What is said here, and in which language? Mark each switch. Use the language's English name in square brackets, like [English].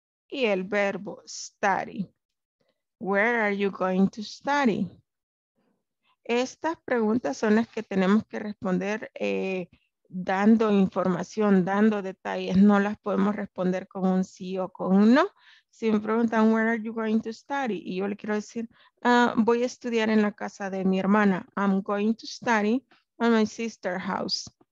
[Spanish] Y el verbo, [English] study. Where are you going to study? [Spanish] Estas preguntas son las que tenemos que responder dando información, dando detalles. No las podemos responder con un sí o con un no. Si me preguntan, [English] where are you going to study? [Spanish] Y yo le quiero decir, voy a estudiar en la casa de mi hermana. [English] I'm going to study at my sister's house.